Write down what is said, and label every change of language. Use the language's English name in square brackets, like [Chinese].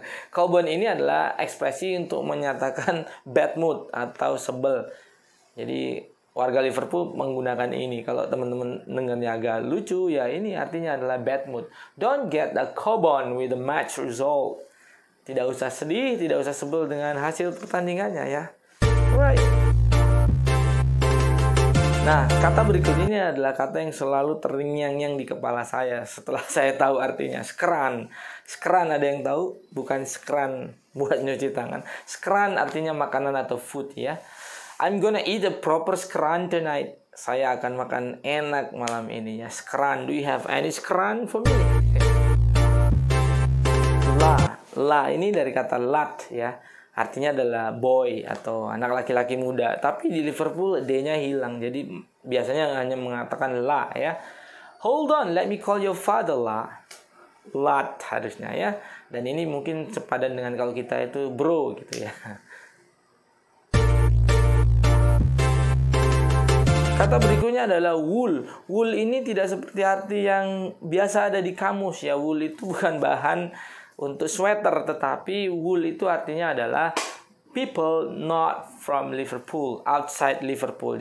[Indonesian] Kobon ini adalah ekspresi untuk menyatakan [English] bad mood [Indonesian] atau sebel. Jadi warga Liverpool menggunakan ini. Kalau teman-teman dengarnya agak lucu, ya ini artinya adalah [English] bad mood. Don't get a kobon with the match result. [Indonesian] Tidak usah sedih, tidak usah sebel dengan hasil pertandingannya ya. [English] Right. [Indonesian] Nah, kata berikut ini adalah kata yang selalu terngiang-ngiang di kepala saya setelah saya tahu artinya. Skran. Skran, ada yang tahu? Bukan skran buat nyuci tangan. Skran artinya makanan atau food ya. [English] I'm gonna eat a proper skran tonight. [Indonesian] Saya akan makan enak malam ini ya. [English] Skran, do you have any skran for me? [Indonesian] La. La, ini dari kata lat ya. Artinya adalah [English] boy [Indonesian] atau anak laki-laki muda. Tapi di Liverpool D-nya hilang. Jadi biasanya hanya mengatakan la ya. [English] Hold on, let me call your father la. [Indonesian] Lat harusnya ya. Dan ini mungkin sepadan dengan kalau kita itu bro gitu ya. Kata berikutnya adalah wool. Wool ini tidak seperti arti yang biasa ada di kamus ya. Wool itu bukan bahan untuk sweater, tetapi wool itu artinya adalah [English] people not from Liverpool, outside Liverpool.